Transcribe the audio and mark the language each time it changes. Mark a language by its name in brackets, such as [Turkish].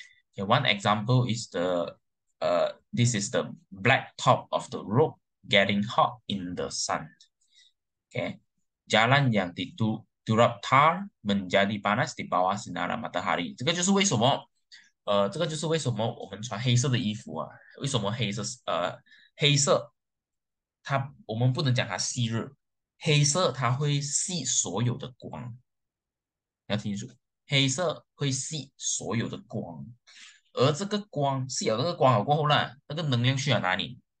[English] Okay, one example is this is the black top of the rope getting hot in the sun. [Malay] Okay, jalan yang ditutup tar menjadi panas di bawah sinar matahari. [Chinese] 这个就是为什么我们穿黑色的衣服啊？为什么黑色，我们不能讲它吸热。黑色它会吸所有的光，要听清楚，黑色会吸所有的光，而这个光吸了那个光了过后呢，那个能量去了哪里？